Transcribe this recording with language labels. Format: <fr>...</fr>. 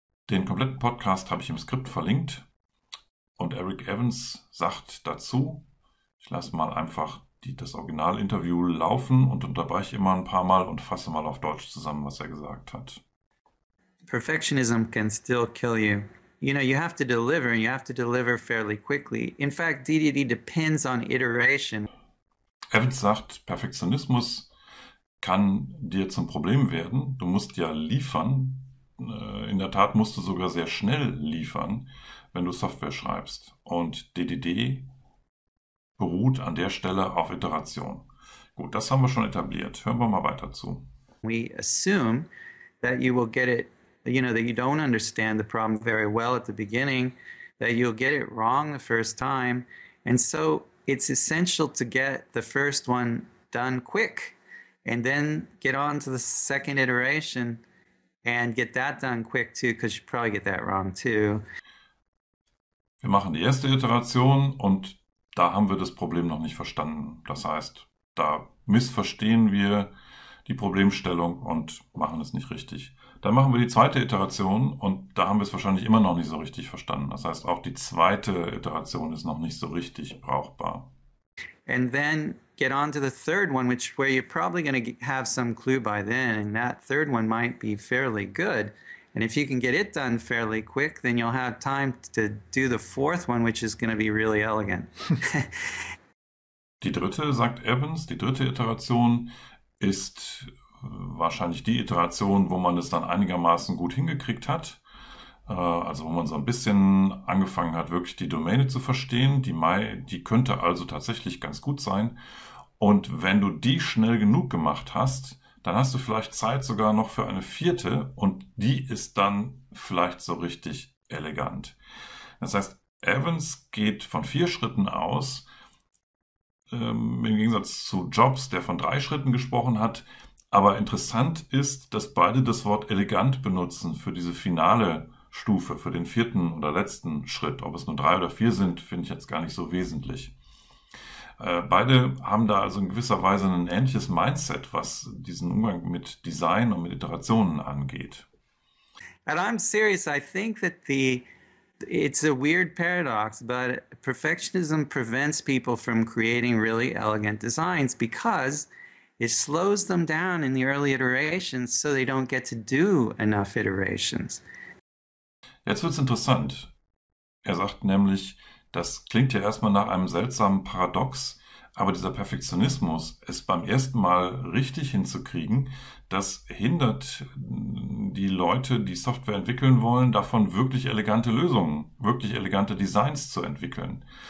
<de>Den kompletten Podcast habe ich im Skript verlinkt. Und Eric Evans sagt dazu, ich lasse mal einfach das Originalinterview laufen und unterbreche immer ein paar Mal und fasse mal auf Deutsch zusammen, was er gesagt hat.</de> <en>Perfectionism can still kill you. You know, you have to deliver, and you have to deliver fairly quickly. In fact, DDD depends on iteration.</en> <de>Evans sagt, Perfektionismus kann dir zum Problem werden. Du musst ja liefern. In der Tat musst du sogar sehr schnell liefern, wenn du Software schreibst. Und DDD beruht an der Stelle auf Iteration. Gut, das haben wir schon etabliert. Hören wir mal weiter zu.</de> <en>We assume that you will get it. You know, that you don't understand the problem very well at the beginning, that you'll get it wrong the first time. And so it's essential to get the first one done quick and then get on to the second iteration and get that done quick too, because you probably get that wrong too.</en> <de>Wir machen die erste Iteration und da haben wir das Problem noch nicht verstanden. Das heißt, da missverstehen wir die Problemstellung und machen es nicht richtig. Dann machen wir die zweite Iteration und da haben wir es wahrscheinlich immer noch nicht so richtig verstanden. Das heißt, auch die zweite Iteration ist noch nicht so richtig brauchbar.</de> <en>And then get on to the third one, which where you're probably going to have some clue by then, and that third one might be fairly good. And if you can get it done fairly quick, then you'll have time to do the fourth one, which is going to be really elegant.</en> <de>Die dritte, sagt Evans, die dritte Iteration ist wahrscheinlich die Iteration, wo man es dann einigermaßen gut hingekriegt hat. Also wo man so ein bisschen angefangen hat, wirklich die Domäne zu verstehen. Die könnte also tatsächlich ganz gut sein. Und wenn du die schnell genug gemacht hast, dann hast du vielleicht Zeit sogar noch für eine vierte und die ist dann vielleicht so richtig elegant. Das heißt, Evans geht von vier Schritten aus. Im Gegensatz zu Jobs, der von drei Schritten gesprochen hat. Aber interessant ist, dass beide das Wort elegant benutzen für diese finale Stufe, für den vierten oder letzten Schritt. Ob es nur drei oder vier sind, finde ich jetzt gar nicht so wesentlich. Beide haben da also in gewisser Weise ein ähnliches Mindset, was diesen Umgang mit Design und mit Iterationen angeht.</de> <en>And I'm serious. I think that the it's a weird paradox, but perfectionism prevents people from creating really elegant designs because it slows them down in the early iterations, so they don't get to do enough iterations.</en> <de>Jetzt wird es interessant. Er sagt nämlich, das klingt ja erstmal nach einem seltsamen Paradox, aber dieser Perfektionismus, es beim ersten Mal richtig hinzukriegen, das hindert die Leute, die Software entwickeln wollen, davon wirklich elegante Lösungen, wirklich elegante Designs zu entwickeln.</de>